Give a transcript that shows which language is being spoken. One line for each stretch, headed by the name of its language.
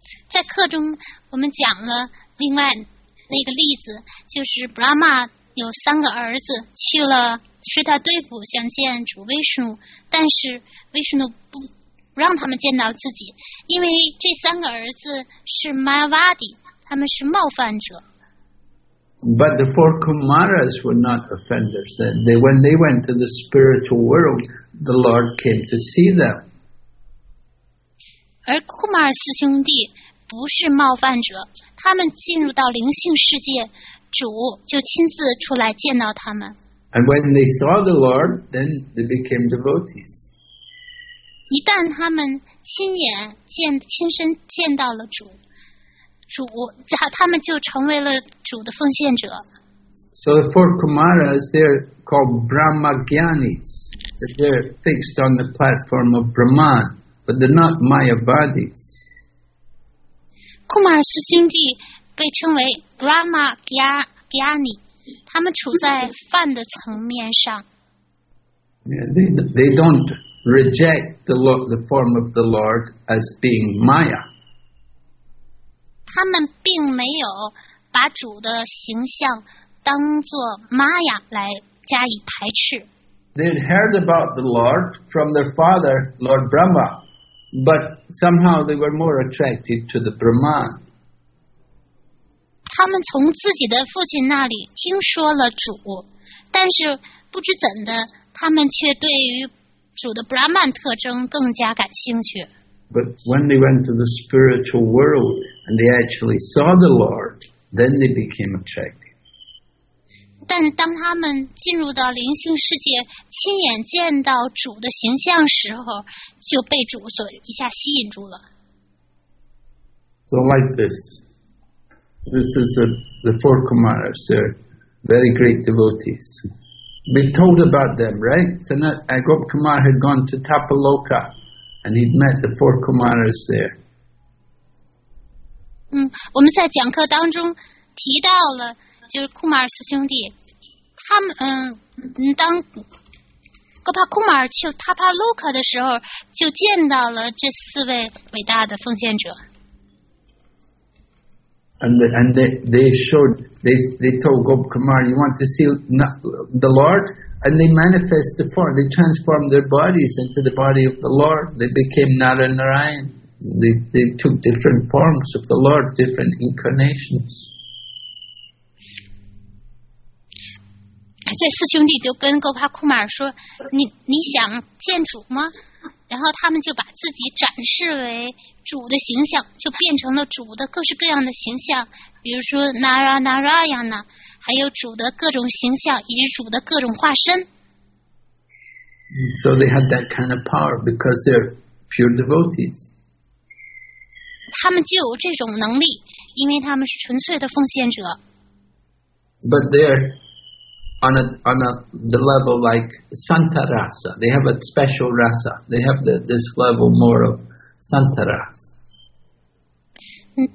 Chinese: 在课中我们讲了另外那个例子，就是 Brahma 有三个儿子去了 Swetadweep 想见主 Vishnu， 但是 Vishnu 不让他们见到自己，因为这三个儿子是 Mayavadi， 他们是冒犯者。
English: But the four Kumaras were not offenders. When they went to the spiritual world, the Lord came to see them.
Chinese: 而库马尔四兄弟不是冒犯者，他们进入到灵性世界，主就亲自出来见到他们。
English: And when they saw the Lord, then they became devotees.
Chinese: 一旦他们亲眼见、亲身见到了主，主他们就成为了主的奉献者。
English: So the four Kumaras, they're called Brahmagyanis. They're fixed on the platform of Brahman, but they're not Mayavadis.
Chinese: Kumar 四兄弟被称为 Brahmagyani， 他们处在梵的层面上。
English: They don't reject the form of the Lord as being Maya.
Chinese: 他们并没有把主的形象当作玛雅来加以排斥。
English: They had heard about the Lord from their father, Lord Brahma, but somehow they were more attracted to the Brahman.
Chinese: 他们从自己的父亲那里听说了主，但是不知怎的，他们却对于主的 Brahman 特征更加感兴趣。
English: But when they went to the spiritual world and they actually saw the Lord, then they became attracted.
Chinese: 但当他们进入到灵性世界，亲眼见到主的形象时候，就被主所一下吸引住了。
English: So like this, this is the four Kumaras. They're very great devotees. We told about them, right? Sanat Agop Kumar had gone to Tapaloka, and he'd met the four Kumaras there.
Chinese: 我们在讲课当中提到了。就是库马尔四兄弟，他们当戈帕库马尔去塔帕洛克的时候，就见到了这四位伟大的奉献者。
English: And they told Gopa Kumar, "You want to see the Lord?" And they manifest the form. They transformed their bodies into the body of the Lord. They became Naranarayan. They took different forms of the Lord, different incarnations.
Chinese: 这四兄弟就跟戈帕库马尔说：“你想见主吗？” 然后他们就把自己展示为主的形象，就变成了主的各式各样的形象，比如说 Nara Narayana， 还有主的各种形象以及主的各种化身。
English: So they had that kind of power because they're pure devotees.
Chinese: 他们就有这种能力，因为他们是纯粹的奉献者。
English: But they're on the level like Santa Rasa. They have a special Rasa. They have this level more of Santa Rasa.